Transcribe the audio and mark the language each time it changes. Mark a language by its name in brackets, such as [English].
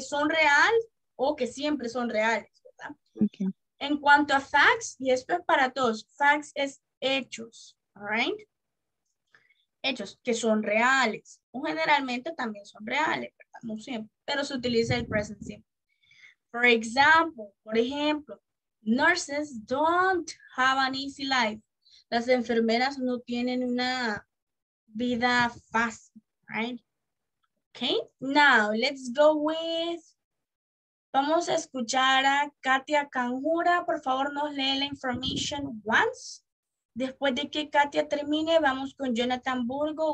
[Spanish] Son real o que siempre son reales, ¿verdad? [English] Okay. [Spanish] En cuanto a facts, y esto es para todos, facts es hechos, [English] right? [Spanish] Hechos que son reales, o generalmente también son reales, ¿verdad? No siempre, pero se utiliza el present simple. Por ejemplo, [English] nurses don't have an easy life. [Spanish] Las enfermeras no tienen una vida fácil, [English] right? Okay, now let's go with... [Spanish] Vamos a escuchar a [English] Katia Canjura. [Spanish] Por favor, nos lee la information [English] once. [Spanish] Después de que Katia termine, vamos con Jonathan Burgo.